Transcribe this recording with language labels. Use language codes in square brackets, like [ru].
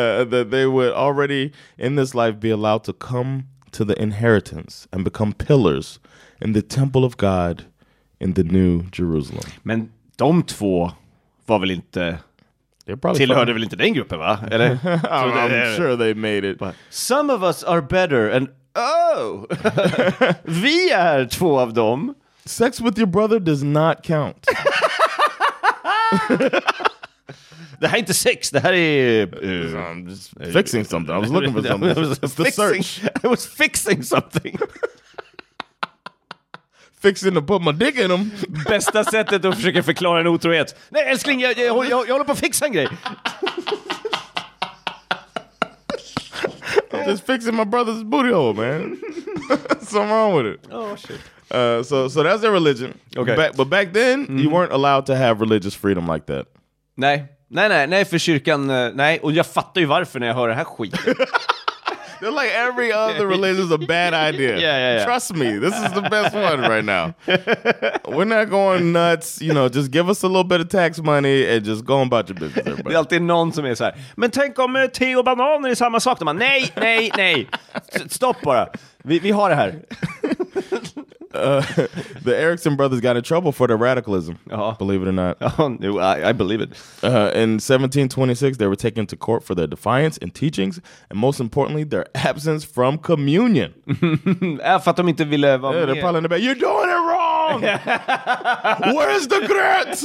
[en] That they would already in this life be allowed to come to the inheritance and become pillars in the temple of God in the new Jerusalem. [sv] Men de två var väl inte tillhörde väl inte den gruppen, va? Eller? [en] I'm sure they made it. But some of us are better and [sv] vi är två av dem. [en] Sex with your brother does not count. [sv] Det här är inte sex, det här är... [en] I'm just fixing something. I was looking for something. I was fixing something. Fixing to put my dick in them. [sv] Bästa sättet att försöka förklara en otrohet. Nej, älskling, jag håller på att fixa en grej. [en] I'm just fixing my brother's booty hole, man. Something wrong with it. Oh, shit. So that's their religion. Okay. But back then, you weren't allowed to have religious freedom like that. [sv] Nej. Nej, för kyrkan, nej. Och jag fattar ju varför när jag hör det här skit. [en] They're like, every other religion is a bad idea. Yeah. Trust me, this is the best one right now. We're not going nuts, you know, just give us a little bit of tax money and just go about your business, everybody. [sv] Det är alltid någon som är så här, men tänk om te och bananer är samma sak. De bara, nej. Stopp bara, vi har det här. [en] The Erickson brothers got in trouble for their radicalism, believe it or not. I believe it. In 1726, they were taken to court for their defiance and teachings, and most importantly, their absence from communion. They're probably in the back. You're doing it wrong! Where's the grits?